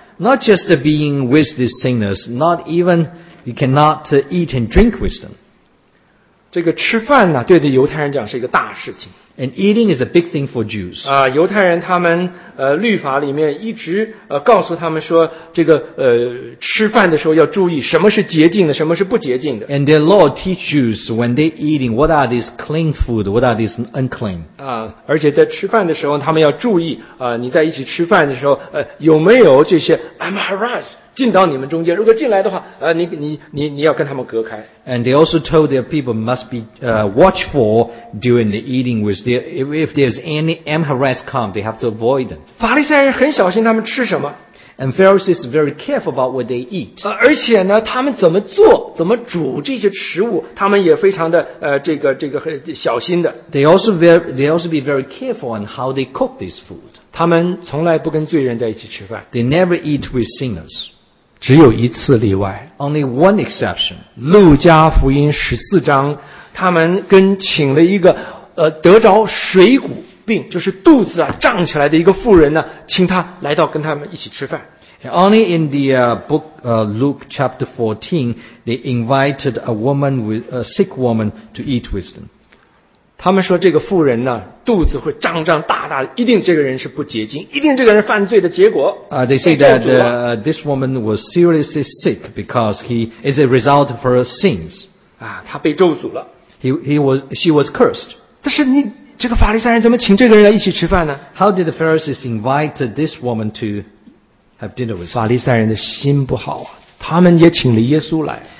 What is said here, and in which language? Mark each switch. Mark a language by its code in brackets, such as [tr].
[en] Not just being with these sinners, not even you cannot eat and drink with them. [zh] 这个吃饭呢，对犹太人讲是一个大事情。 [en] And eating is a big thing for Jews. [zh] 犹太人他们律法里面一直告诉他们说，这个吃饭的时候要注意什么是洁净的，什么是不洁净的。 [en] And their law teaches Jews when they eating, what are these clean food, what are these unclean. [zh] 而且在吃饭的时候，他们要注意你在一起吃饭的时候有没有这些 amharas 进到你们中间？如果进来的话，你要跟他们隔开。 [en] And they also told their people must be watchful during the eating with their, if there's any amharas come, they have to avoid. [zh] 法利赛人很小心他们吃什么。 [en] And Pharisees are very careful about what they eat. [zh] 而且呢他们怎么做怎么煮这些食物他们也非常的很小心的。 [en] They also be very careful on how they cook this food. [zh] 他们从来不跟罪人在一起吃饭。 [en] They never eat with sinners. [zh] 只有一次例外。 [en] Only one exception. [zh] 路加福音十四章他们跟请了一个得着水谷。病就是肚子啊胀起来的一个妇人呢，请他来到跟他们一起吃饭。 [en] Only in the book Luke chapter 14, they invited a woman with a sick woman to eat with them. [zh] 他们说这个妇人呢，肚子会胀胀大大的，一定这个人是不洁净，一定这个人犯罪的结果。 [en] They say that this woman was seriously sick because he is a result of her sins. [zh] 他被咒诅了。 [en] She was cursed. [zh] 但是你。这个法利赛人怎么请这个人来一起吃饭呢？ [en] How did the Pharisees invite this woman to have dinner with? [zh] 法利赛人的心不好啊，他们也请了耶稣来。